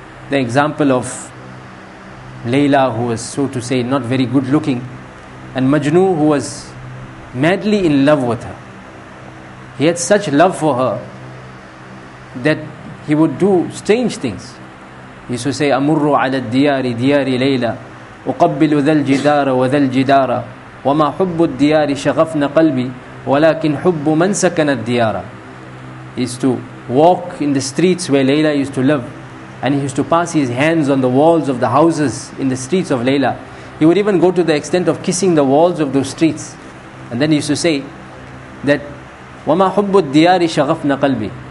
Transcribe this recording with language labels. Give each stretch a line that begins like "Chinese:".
English: The example of Layla, who was, so to say, not very good looking, and Majnun, who was madly in love with her. He had such love for her that he would do strange things. He used to say,
Arabic: Amurru ala diyari diyari Layla, أُقَبِّلُ ذَا الْجِدَارَ وَذَا الْجِدَارَ وَمَا حُبُّ الدِّيَارِ شَغَفْنَ قَلْبِي وَلَكِنْ حُبُّ مَنْ سَكَنَ الدِّيَارَ.
English: He used to walk in the streets where Layla used to live, and he used to pass his hands on the walls of the houses in the streets of Layla. He would even go to the extent of kissing the walls of those streets. And then he used to say that,
Arabic: وَمَا حُبُّ الدِّيَارِ شَغَفْنَ قَلْبِي.